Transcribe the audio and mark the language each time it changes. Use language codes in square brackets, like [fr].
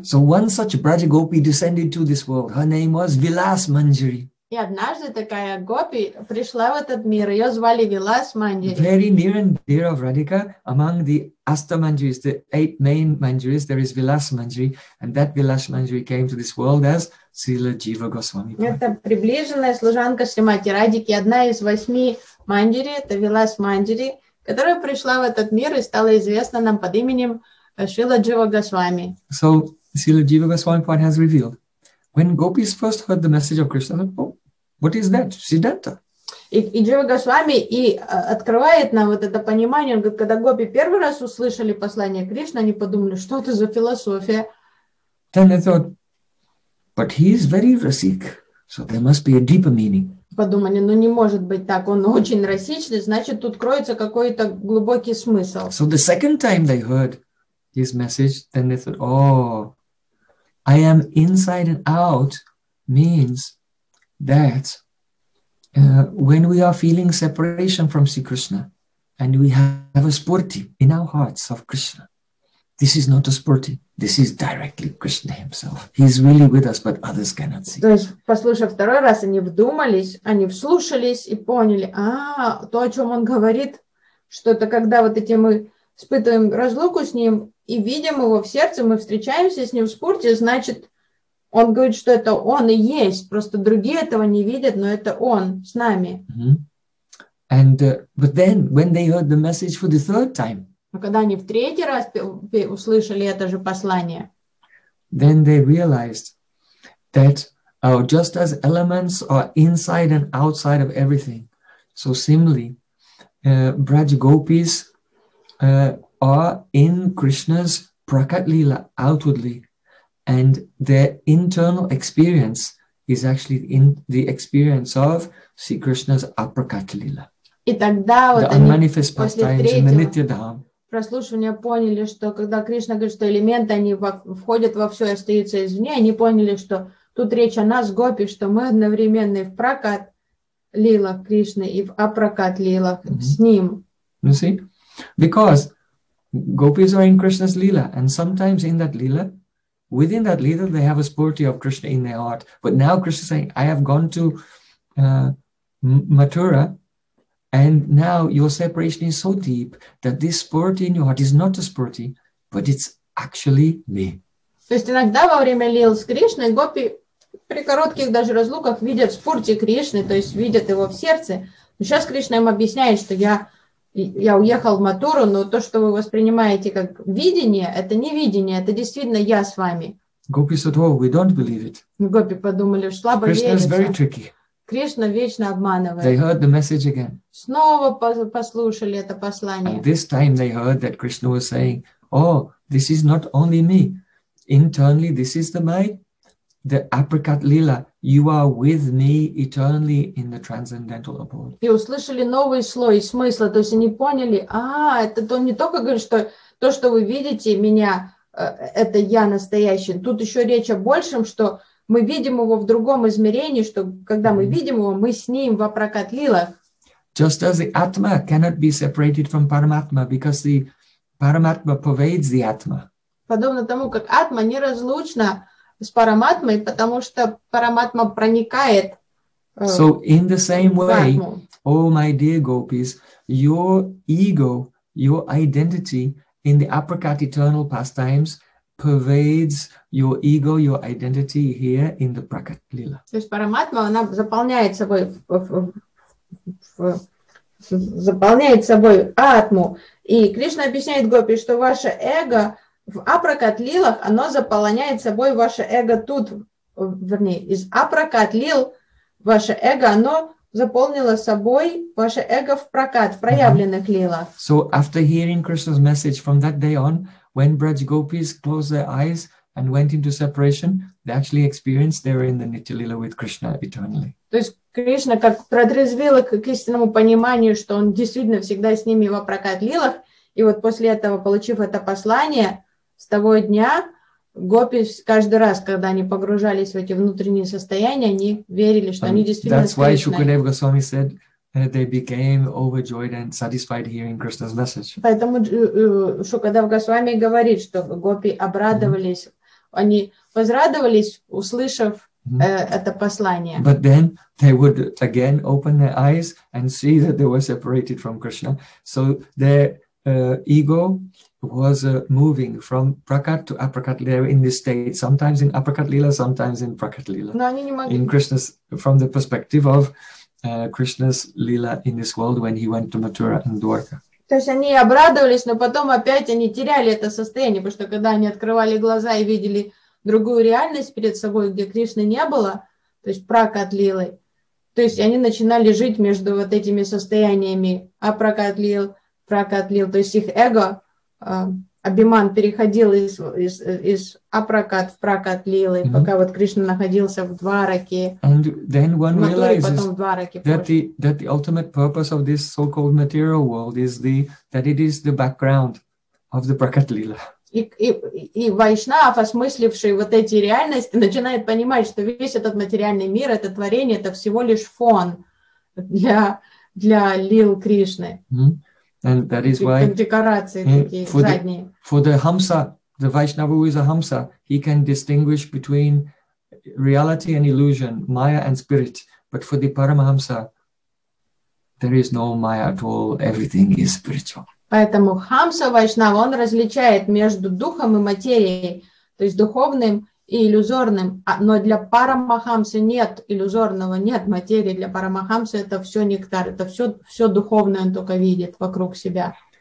[en] So one such Braja Gopi descended to this world. Her name was Vilas Manjari. [ru] И однажды такая Гопи пришла в этот мир. Ее звали Vilas Manjari. [en] Very near and dear of Radhika, among the Astamanjaris, the eight main Manjaris, there is Vilas Manjari, and that Vilas Manjari came to this world as Srila Jiva Gosvami. [ru] Это приближенная служанка Шримати Радики, одна из восьми Манджари, это Vilas Manjari, которая пришла в этот мир и стала известна нам под именем Шрила Джива Госвами. [en] So Srila Jiva Gosvami has revealed. When gopis first heard the message of Krishna, what is that? Siddhanta. [ru] И Джива Госвами и открывает нам вот это понимание. Он говорит, когда гопи первый раз услышали послание Кришны, они подумали, что это за философия. [en] Then they thought, but he is very rasik, so there must be a deeper meaning. [ru] Подумали, ну не может быть так, он очень расичный, значит тут кроется какой-то глубокий смысл. [en] So the second time they heard his message, then they thought, oh, I am inside and out means that when we are feeling separation from Sri Krishna and we have a spurti in our hearts of Krishna, this is not a spurti. This is directly Krishna himself. He is really with us, but others cannot see. [ru] То есть, послушав второй раз, они вдумались, они вслушались и поняли, а, то, о чем он говорит, что это когда вот эти мы испытываем разлуку с ним и видим его в сердце, мы встречаемся с ним в спорте, значит, он говорит, что это он и есть, просто другие этого не видят, но это он с нами. Mm-hmm. [en] And, but then, when they heard the message for the third time, [ru] но когда они в третий раз услышали это же послание, [en] then they realized that just as elements are inside and outside of everything, so similarly, Braj Gopis are in Krishna's prakat lila outwardly, and their internal experience is actually in the experience of Sri Krishna's aprakat lila. [ru] И тогда вот [en] the unmanifest pastimes in the nitya dham. [ru] Прослушивание поняли, что когда Кришна говорит, что элементы, они входят во все и остаются извне, они поняли, что тут речь о нас, гопи, что мы одновременно и в прокат лилах Кришны, и в апрокат лилах с Ним. [en] You see? Because gopis are in Krishna's lila, and sometimes in that lila, within that lila, they have a spurti of Krishna in their heart. But now Krishna is saying, I have gone to Mathura, and now your separation is so deep that this spurti in your heart is not a spurti, but it's actually me. [ru] То есть иногда во время лил с Кришной гопи при коротких даже разлуках видят спурти Кришны, то есть видят его в сердце. Но сейчас Кришна им объясняет, что я уехал в Матуру, но то, что вы воспринимаете как видение, это не видение, это действительно я с вами. [en] Gopi said, oh, we don't believe it. [ru] Гопи подумали, что слабо верится. [en] Krishna is very tricky. [ru] Кришна вечно обманывает. [en] They heard the message again. [ru] Снова послушали это послание. [en] And this time they heard that Krishna was saying, oh, this is not only me. Internally, this is the apricot lila. You are with me eternally in the transcendental abode. [ru] И услышали новый слой смысла. То есть они поняли, а, это то, не только говорит, что то, что вы видите меня, это я настоящий. Тут еще речь о большем, что мы видим его в другом измерении, что когда мы видим его, мы с ним в апракат лилах. [en] Just as the Atma cannot be separated from Paramatma, because the Paramatma pervades the Atma. [ru] Подобно тому, как Атма неразлучна с Параматмой, потому что Параматма проникает в Атму. [en] So in the same way, oh my dear gopis, your ego, your identity in the apricot eternal pastimes pervades your ego, your identity here in the prakat lila. [ru] То есть параматма, она заполняет собой, заполняет собой атму. И Кришна объясняет гопи, что ваше эго в апракат лилах, оно заполняет собой ваше эго тут, вернее, из апракат лил ваше эго, оно заполнило собой ваше эго в прокат, в проявленных лилах. [en] So after hearing Krishna's message from that day on, when Braj Gopis closed their eyes and went into separation, they actually experienced they were in the Nitya Lila with Krishna eternally. [ru] То есть Кришна как протрезвела к истинному пониманию, что он действительно всегда с ними во прокат лилах, и вот после этого, получив это послание, с того дня Гопи каждый раз, когда они погружались в эти внутренние состояния, они верили, что они действительно [en] Krishna's message. [ru] Поэтому Шукадев Госвами говорит, что гопи обрадовались, они возрадовались, услышав это послание. [en] But then they would again open their eyes and see that they were separated from Krishna. So their ego was moving from prakat to aprakat. They're in this state, sometimes in aprakat lila, sometimes in prakat lila. In Krishna's, from the perspective of Krishna's lila in this world when he went to Mathura and Dwarka. [ru] То есть они обрадовались, но потом опять они теряли это состояние, потому что когда они открывали глаза и видели другую реальность перед собой, где Кришны не было, то есть пракат лилы, то есть они начинали жить между вот этими состояниями апракат лил, пракат лил, то есть их эго, абиман переходил из апракат в пракат лилы, пока вот Кришна находился в двараке, [en] That the ultimate purpose of this so-called material world is that it is the background of the prakat lila. [ru] И вайшнав, осмысливший вот эти реальности, начинает понимать, что весь этот материальный мир, это творение, это всего лишь фон для лил Кришны. [en] And that is why [ru] декорации такие задние. [en] For the hamsa, the vaishnava who is a hamsa, he can distinguish between reality and illusion, maya and spirit. But for the paramahamsa, there is no maya at all. Everything is spiritual. [ru] Поэтому хамса вайшнава, он различает между духом и материей, то есть духовным и иллюзорным. Но для парамахамса нет иллюзорного, нет материи. Для парамахамса это все нектар, это все, все духовное он только видит вокруг себя.